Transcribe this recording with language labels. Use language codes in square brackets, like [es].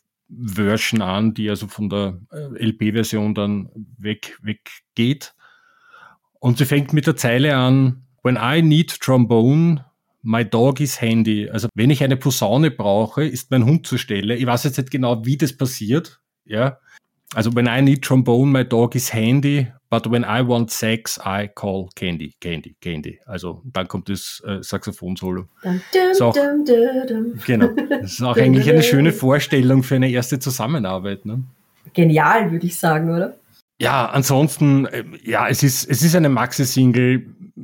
[de] Version an, die also von der LP-Version dann weg geht. Und sie fängt mit der Zeile an, [en] "When I need trombone, my dog is handy." [de] Also wenn ich eine Posaune brauche, ist mein Hund zur Stelle. Ich weiß jetzt nicht genau, wie das passiert. Ja, also [en] "When I need trombone, my dog is handy. But when I want sex, I call Candy, Candy, Candy." [de] Also dann kommt das Saxophon-Solo. Genau. Das ist auch eigentlich eine schöne Vorstellung für eine erste Zusammenarbeit. Ne? Genial, würde ich sagen, oder? Ja, ansonsten, ja, es ist eine Maxi-Single.